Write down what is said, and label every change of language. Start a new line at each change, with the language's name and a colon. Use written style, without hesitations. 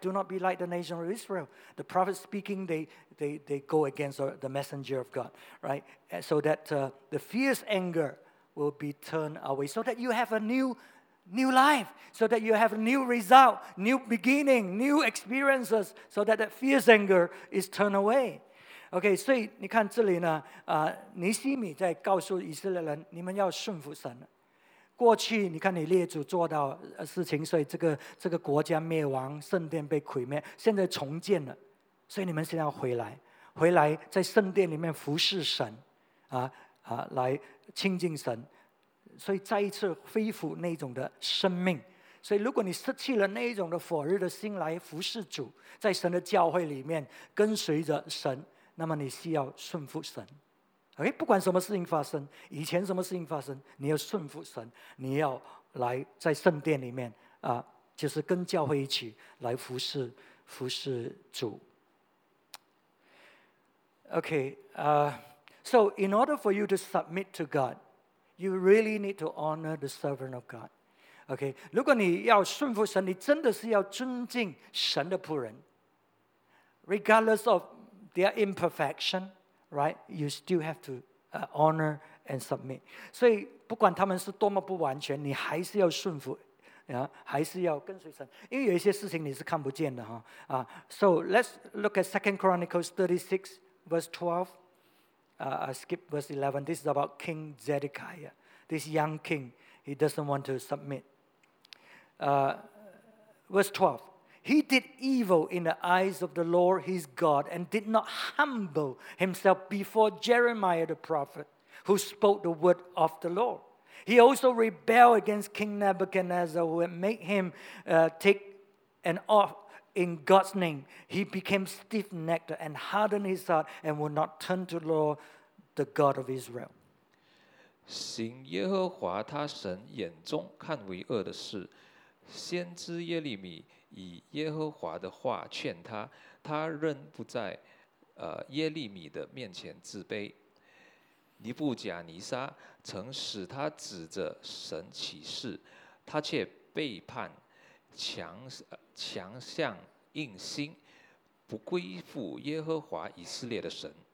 English: Do not be like the nation of Israel. The prophet speaking, they go against the messenger of God. Right? So that the fierce anger will be turned away. So that you have a new life, so that you have a new result, new beginning, new experiences, so that that fierce anger is turned away.
Chinese: Okay, 所以你看这里呢，尼希米在告诉以色列人，你们要顺服神。过去你看你列祖做到事情，所以这个国家灭亡，圣殿被毁灭，现在重建了，所以你们现在要回来在圣殿里面服侍神，来亲近神。所以再一次恢复那种的生命，所以如果你失去了那种的火热的心来服侍主，在神的教会里面跟随着神，那么你需要顺服神。
English: Okay?
Chinese: 不管什么事情发生，以前什么事情发生，你要顺服神，你要来在圣殿里面啊，就是跟教会一起来服侍主。
English: Okay, so in order for you to submit to God. You really need to honor the servant of God.
Chinese: Okay, 如果你要顺服神，你真的是要尊敬神的仆人。
English: Regardless of their imperfection, right? You still have to honor and submit.
Chinese: 所以不管他们是多么不完全，你还是要顺服，还是要跟随神。因为有一些事情你是看不见的。
English: So let's look at 2 Chronicles 36 verse 12. I skip verse 11. This is about King Zedekiah. This young king, he doesn't want to submit. Verse 12. He did evil in the eyes of the Lord his God and did not humble himself before Jeremiah the prophet, who spoke the word of the Lord. He also rebelled against King Nebuchadnezzar, who had made him take an oath in God's name. He became stiff-necked and hardened his heart and would not turn to the Lord, the God of Israel.
Chinese: 行耶和华他神眼中看为恶的事，先知耶利米以耶和华的话劝他，他仍不在耶利米的面前自卑。尼布甲尼撒曾使他指着神起誓，他却背叛，强项硬心，不归附耶和华以色列的神。